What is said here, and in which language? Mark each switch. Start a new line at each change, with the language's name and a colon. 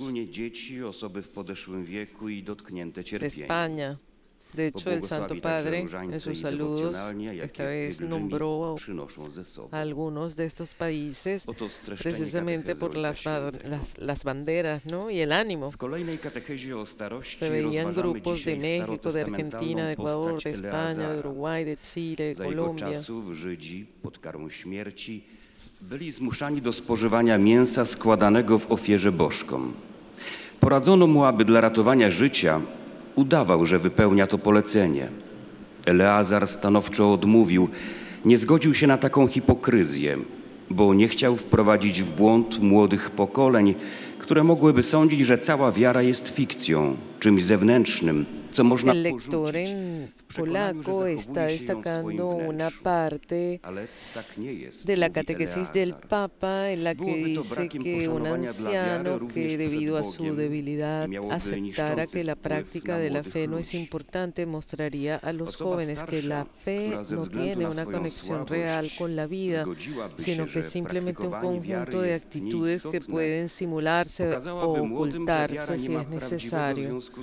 Polish: szczególnie dzieci, osoby w podeszłym wieku i dotknięte cierpieniem.
Spanish: De España. De hecho, el Santo Padre, en sus saludos, esta vez nombró a algunos de estos países, precisamente por las banderas, ¿no? Y el ánimo. Se veían grupos de México, de Argentina, de Ecuador, de España, de Uruguay, de Chile, de Colombia.
Polish: Byli zmuszani do spożywania mięsa składanego w ofierze bożkom. Poradzono mu, aby dla ratowania życia udawał, że wypełnia to polecenie. Eleazar stanowczo odmówił, nie zgodził się na taką hipokryzję, bo nie chciał wprowadzić w błąd młodych pokoleń, które mogłyby sądzić, że cała wiara jest fikcją, czymś zewnętrznym, co można
Spanish: el lector en polaco está destacando una parte de la catequesis del Papa en la que dice que un anciano que debido a su debilidad aceptara que la práctica de la fe no es importante mostraría a los jóvenes que la fe no tiene una conexión real con la vida, sino que es simplemente un conjunto de actitudes que pueden simularse o ocultarse si es necesario.